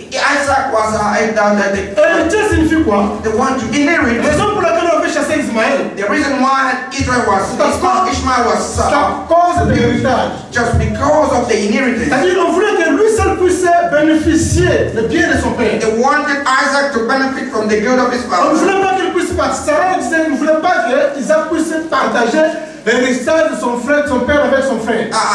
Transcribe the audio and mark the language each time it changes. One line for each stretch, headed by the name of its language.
English: Isaac was
French: héritier signifie quoi?
English: The one to inherit.
French: La raison pour laquelle on avait chassé Ismaël.
English: The reason why Israel was Ishmael was because of the heritage. Just because of the inheritance.
French: C'est-à-dire on voulait que lui seul puisse bénéficier le bien de son père.
English: They wanted Isaac to benefit from the good of his father.
French: On ne voulait pas qu'il puisse partager. On voulait pas que Isaac puisse partager. L'héritage de son frère, son père avec son frère.